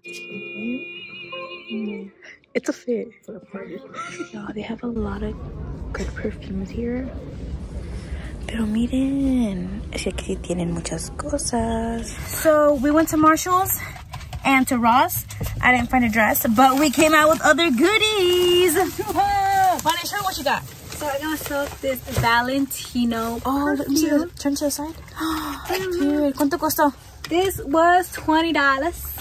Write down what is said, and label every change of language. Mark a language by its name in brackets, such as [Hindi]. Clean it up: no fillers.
[English] It's a fit. For the party. Oh, they have a lot of good perfumes here. [Spanish] Pero miren, es que aquí tienen muchas cosas. [English] So we went to Marshall's and to Ross. I didn't find a dress, but we came out with other goodies. Bonnie, show me what you got. So I got myself this Valentino perfume. Oh, turn to the side. Dude, [Spanish] ¿cuánto costó? [English] This was $20.